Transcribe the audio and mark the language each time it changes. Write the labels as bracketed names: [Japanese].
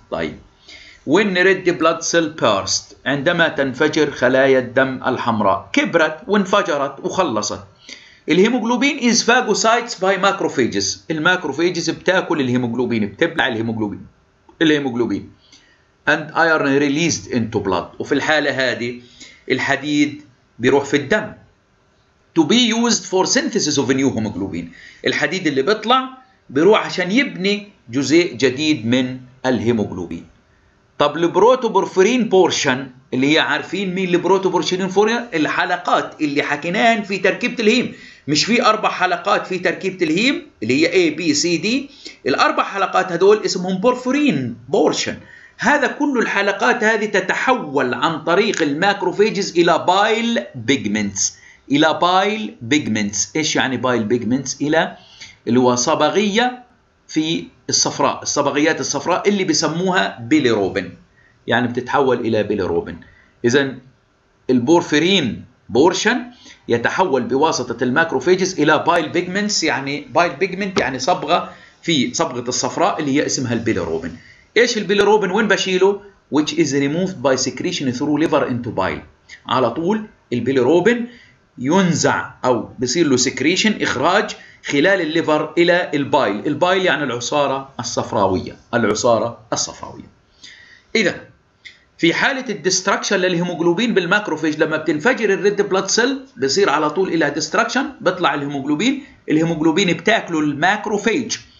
[Arabic] طيب وين [English] Red blood cell burst? [Arabic] عندما تنفجر خلايا الدم الحمراء، كبرت وانفجرت وخلصت. [English] الهيموجلوبين is phagocytes by macrophages, [Arabic] الماكروفيجز بتاكل الهيموجلوبين، بتبلع الهيموجلوبين، الهيموجلوبين [English] and iron released into blood. [Arabic] وفي الحالة هذه الحديد بيروح في الدم [English] to be used for synthesis of new hemoglobin. [Arabic] الحديد اللي بيطلع بيروح عشان يبني جزء جديد من الهيموجلوبين. طب البروتوبورفيرين بورشن اللي هي عارفين مين البروتوبورفيرين بورشن؟ الحلقات اللي حكيناهن في تركيبة الهيم، مش في أربع حلقات في تركيبة الهيم اللي هي A B C D، الأربع حلقات هذول اسمهم بورفيرين بورشن. هذا كل الحلقات هذه تتحول عن طريق الماكروفيجز الى بايل بيجمنتس، الى بايل بيجمنتس. ايش يعني بايل بيجمنتس؟ الى اللي هو صبغيه في الصفراء، الصبغيات الصفراء اللي بسموها بيليروبين، يعني بتتحول الى بيليروبين. اذا البورفيرين بورشن يتحول بواسطه الماكروفيجز الى بايل بيجمنتس، يعني بايل بيجمنت يعني صبغه في صبغه الصفراء اللي هي اسمها البيليروبين. ايش البيليروبين وين بشيله؟ [English] which is removed by secretion through liver into bile. [Arabic] على طول البيليروبين ينزع او بصير له secretion، اخراج خلال الليفر الى البايل. البايل يعني العصارة الصفراوية، العصارة الصفراوية. اذا في حالة الدستركشن للهيموجلوبين بالماكروفيج لما بتنفجر الريد بلاد سيل بصير على طول الى دستركشن، بطلع الهيموجلوبين، الهيموجلوبين بتاكله الماكروفيج.